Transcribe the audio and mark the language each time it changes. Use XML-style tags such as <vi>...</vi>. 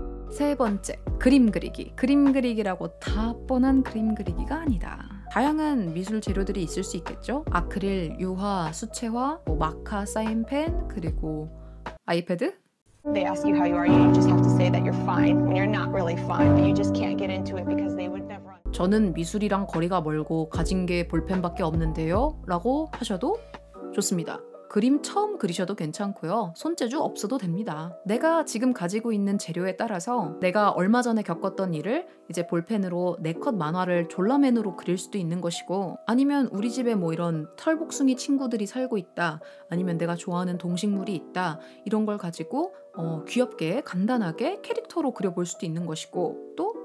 <ko>세 번째, 그림 그리기. 그림 그리기라고 다 뻔한 그림 그리기가 아니다. 다양한 미술 재료들이 있을 수 있겠죠? 아크릴, 유화, 수채화, 뭐 마카, 사인펜, 그리고 아이패드?</ko> <en>They ask you how you are, you just have to say that you're fine when you're not really fine, but you just can't get into it because they would never...</en> <ko>저는 미술이랑 거리가 멀고 가진 게 볼펜밖에 없는데요? 라고 하셔도 좋습니다. 그림 처음 그리셔도 괜찮고요. 손재주 없어도 됩니다. 내가 지금 가지고 있는 재료에 따라서 내가 얼마 전에 겪었던 일을 이제 볼펜으로 내 컷 만화를 졸라맨으로 그릴 수도 있는 것이고, 아니면 우리 집에 뭐 이런 털복숭이 친구들이 살고 있다, 아니면 내가 좋아하는 동식물이 있다, 이런 걸 가지고 귀엽게 간단하게 캐릭터로 그려볼 수도 있는 것이고, 또</ko>